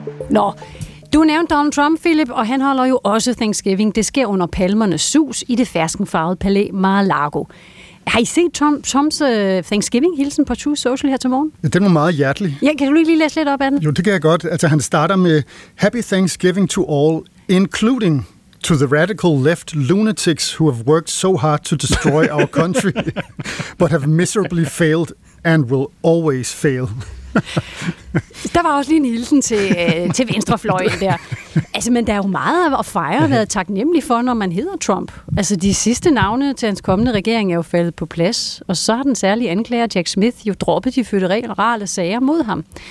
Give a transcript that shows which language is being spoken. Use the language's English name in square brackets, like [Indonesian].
[Danish] Nå, du nævnte Donald Trump, Philip, og han holder jo også Thanksgiving. Det sker under palmernes sus i det ferskenfarvede palæ Mar-a-Lago. Har I set Trumps Thanksgiving-hilsen på True Social her til morgen? Ja, den var meget hjertelig. Ja, kan du lige læse lidt op af den? Jo, det kan jeg godt. Altså, han starter med [English] Happy Thanksgiving to all, including to the radical left lunatics who have worked so hard to destroy our country, but have miserably failed and will always fail. [Danish] Der var også lige en hilsen til, til venstrefløjen der. Altså, men der er jo meget at fejre og være taknemmelig for, når man hedder Trump. Altså, de sidste navne til hans kommende regering er jo faldet på plads, og så har den særlige anklager Jack Smith jo droppet de føderale sager mod ham.